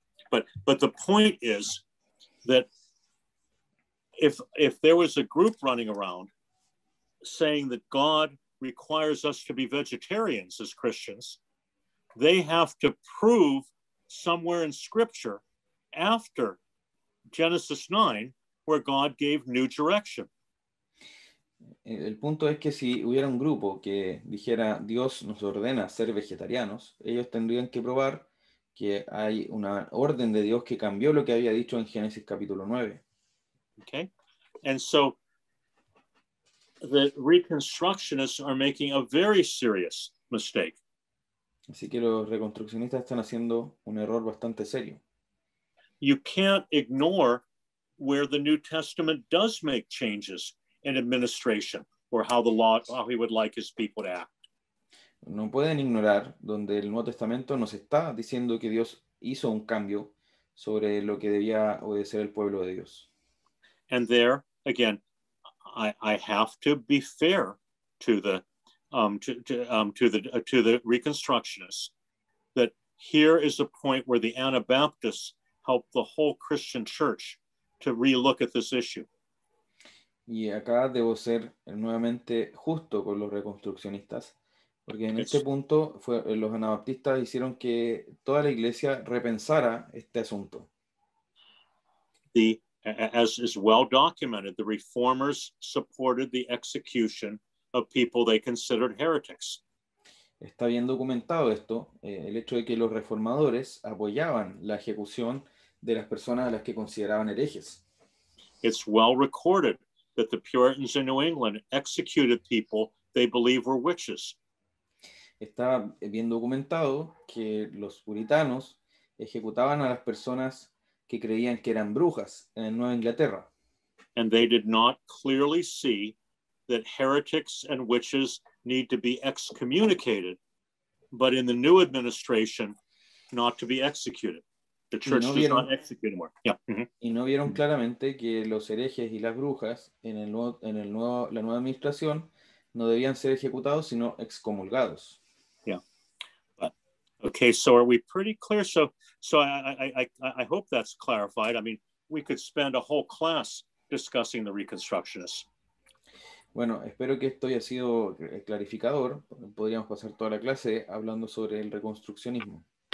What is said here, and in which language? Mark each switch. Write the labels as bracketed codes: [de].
[en] But the point is that if there was a group running around saying that God requires us to be vegetarians as Christians, they have to prove somewhere in Scripture after Genesis 9 where God gave new direction. [es] El punto es que si hubiera un grupo que dijera Dios nos ordena ser vegetarianos, ellos tendrían que probar que hay una orden de Dios que cambió lo que había dicho en Génesis capítulo 9. [en] Okay. And so the reconstructionists are making a very serious mistake. [es] Así que los reconstruccionistas están haciendo un error bastante serio. [en] You can't ignore where the New Testament does make changes in administration or how the law, how he would like his people to act. [es] No pueden ignorar donde el Nuevo Testamento nos está diciendo que Dios hizo un cambio sobre lo que debía obedecer el pueblo de Dios. [en] And there, again, I have to be fair to the Reconstructionists that here is a point where the Anabaptists helped the whole Christian church to relook at this issue. [es] Y acá debo ser nuevamente justo con los reconstruccionistas. Porque en este punto fue, los anabaptistas hicieron que toda la iglesia repensara este asunto. [en] As is well documented, the reformers supported the execution of people they considered heretics. [es] Está bien documentado esto, el hecho de que los reformadores apoyaban la ejecución de las personas a las que consideraban herejes. [en] It's well recorded that the Puritans in New England executed people they believed were witches. [es] Está bien documentado que los puritanos ejecutaban a las personas que creían que eran brujas en Nueva Inglaterra. [en] And they did not clearly see that heretics and witches need to be excommunicated, but in the new administration, not to be executed. The church [es] no vieron, [en] does not execute anymore. Yeah. [es] Mm-hmm. Y no vieron claramente que los herejes y las brujas en la nueva administración no debían ser ejecutados, sino excomulgados. [en] Okay, so are we pretty clear? So I hope that's clarified. I mean, we could spend a whole class discussing the Reconstructionists. [es] Bueno, espero que esto haya sido clarificador. Podríamos pasar toda la clase hablando sobre el reconstruccionismo.